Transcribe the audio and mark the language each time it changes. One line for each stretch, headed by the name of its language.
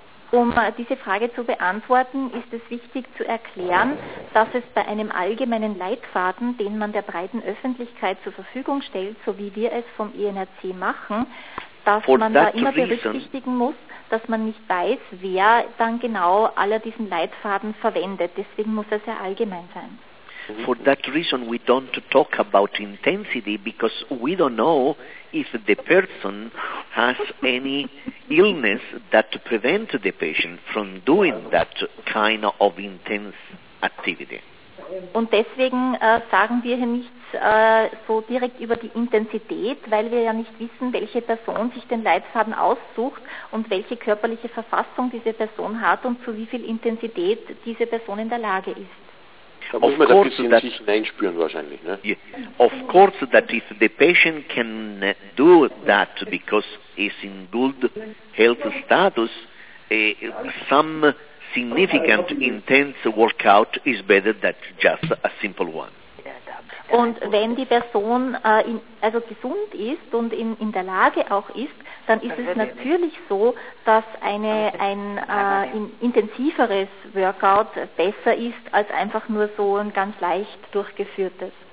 German: Um diese Frage zu beantworten, ist es wichtig zu erklären, dass es bei einem allgemeinen Leitfaden, den man der breiten Öffentlichkeit zur Verfügung stellt, so wie wir es vom INRC machen, dass
English: For
German: man da immer berücksichtigen muss, dass man nicht weiß, wer dann genau alle diesen Leitfaden verwendet. Deswegen muss er sehr allgemein sein.
English: For that reason we don't talk about intensity because we don't know if the person has any illness that prevents the patient from doing that kind of intense activity.
German: Und deswegen sagen wir hier nichts so direkt über die Intensität, weil wir ja nicht wissen, welche Person sich den Leitfaden aussucht und welche körperliche Verfassung diese Person hat und zu wie viel Intensität diese Person in der Lage ist. Da muss man dafür sich hineinspüren wahrscheinlich, ne? Yeah.
English: Of course that if the patient can do that because he's in good health status, some significant intense workout is better than just a simple one.
German: Und wenn die Person also gesund ist und in der Lage auch ist, dann ist es natürlich so, dass ein intensiveres Workout besser ist als einfach nur so ein ganz leicht durchgeführtes.